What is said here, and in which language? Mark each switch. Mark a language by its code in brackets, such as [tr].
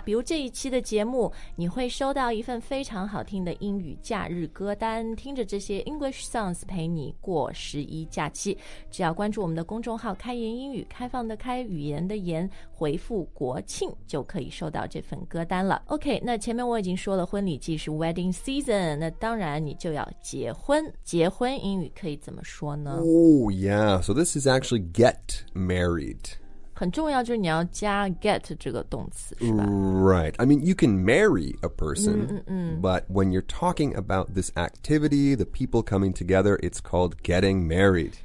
[zh] 比如这一期的节目，你会收到一份非常好听的英语假日歌单，听着这些 [en] English songs [zh] 陪你过十一假期。只要关注我们的公众号"开言英语"，开放的开，语言的言，回复国庆就可以收到这份歌单了。 OK， 那前面我已经说了婚礼季是 wedding season， 那当然你就要结婚。结婚英语可以怎么说呢？ [en] Oh yeah, so this is actually get married. [zh] 很重要就是你要加 get 这个动词，是吧？ [en] Right, I mean you can marry a person、 mm-hmm. But when you're talking about this activity, the people coming together, it's called getting married.